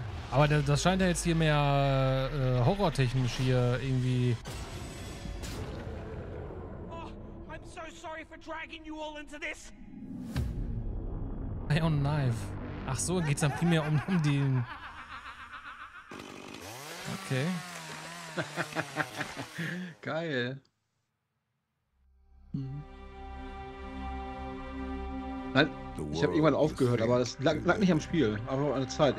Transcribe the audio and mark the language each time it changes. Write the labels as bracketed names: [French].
[German] Aber das scheint ja jetzt hier mehr horrortechnisch hier irgendwie. [English] Oh, I'm so sorry for dragging you all into this. Ion Knife. [German] Ach so, geht's dann primär um den. Okay. Geil. Nein, ich habe irgendwann aufgehört, aber das lag nicht am Spiel, aber an der Zeit.